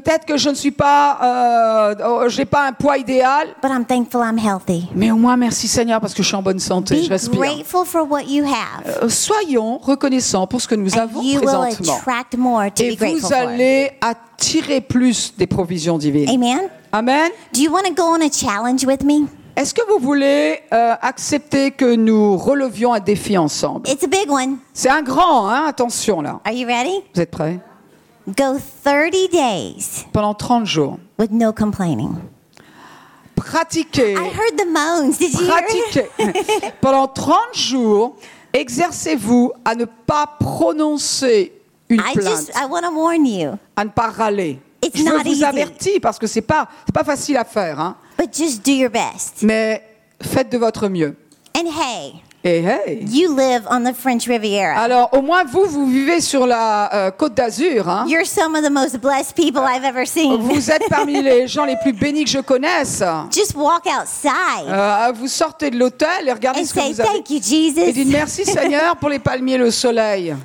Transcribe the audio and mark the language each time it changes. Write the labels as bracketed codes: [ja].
[fr] Peut-être que je ne suis pas, j'ai pas un poids idéal. [en] But I'm thankful I'm healthy. [fr] Mais au moins merci Seigneur parce que je suis en bonne santé. [en] Be [fr] je respire. [en] Grateful for what you have. [fr] Soyons reconnaissants pour ce que nous avons présentement. Et vous allez attirer plus des provisions divines. [en] Amen. [fr] Amen. [en] Do you want to go on a challenge with me? [fr] Est-ce que vous voulez accepter que nous relevions un défi ensemble? [en] It's a big one. [fr] C'est un grand, hein? Attention là. [en] Are you ready? [fr] Vous êtes prêts? [en] Go 30 days. [fr] Pendant 30 jours. [en] With no complaining. [fr] Pratiquez. [en] I heard the moans. Did you hear? [fr] Pratiquez. Pendant 30 jours. Exercez-vous à ne pas prononcer une plainte. [en] I want to warn you. [fr] À ne pas râler. [en] It's not easy. [fr] Je vous avertis parce que c'est pas facile à faire, hein. [en] But just do your best. [fr] Mais faites de votre mieux. [en] And hey. [fr] Et hey. [en] You live on the French Riviera. [fr] Alors au moins vous vivez sur la Côte d'Azur, hein. [en] You're some of the most blessed people I've ever seen. [fr] Vous êtes parmi les gens les plus bénis que je connaisse. [en] Just walk outside. [fr] Vous sortez de l'hôtel et regardez [en] and [fr] ce que vous avez. [en] Say thank you, Jesus. [fr] Et dites merci Seigneur pour les palmiers et le soleil.